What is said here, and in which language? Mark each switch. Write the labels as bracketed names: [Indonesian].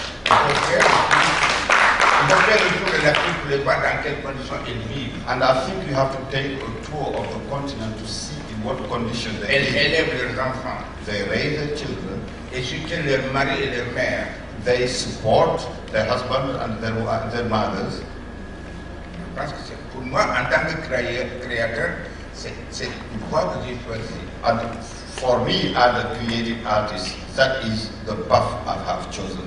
[English] And I think you have to take a tour of the continent to see in what condition they raise their children, they support their husbands and their mothers. [French] Pour moi, en tant que créateur, c'est une voie que j'ai choisi. [English] And for me, as a creative artist, that is the path I have chosen.